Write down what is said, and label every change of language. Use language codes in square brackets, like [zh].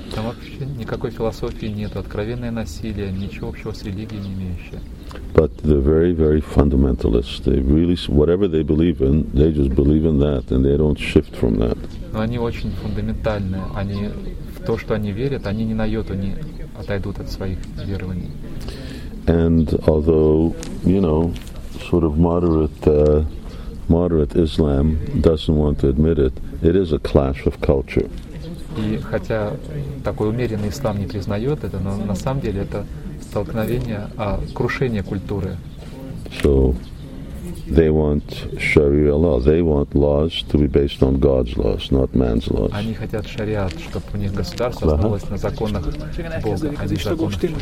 [ru] Там вообще никакой философии нет. Откровенное насилие, ничего общего с религией не имеющее. [en] But they're very, very fundamentalists. They really, whatever they believe in, they just believe in that, and they don't shift from that. [ru] Но они очень фундаментальные. Они в то, что они верят, они ни на йоту не отойдут от своих верований. [en] And although, you know, sort of moderate Islam doesn't want to admit it, it is a clash of culture. [ru] И хотя такой умеренный ислам не признает это, но на самом деле это столкновение, крушение культуры. [en] So, they want Sharia law. They want laws to be based on God's laws, not man's laws. [ru] Они хотят шариат, чтобы у них государство основалось на законах Бога, а не законах